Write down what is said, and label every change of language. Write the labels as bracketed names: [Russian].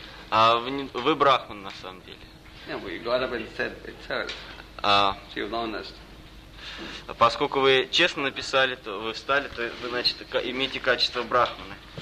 [Russian] А вы брахман на самом деле? [English] No, but you got up and said it's hers. She was honest. [Russian] Поскольку вы честно написали, то вы встали, то вы значит имеете качество брахмана.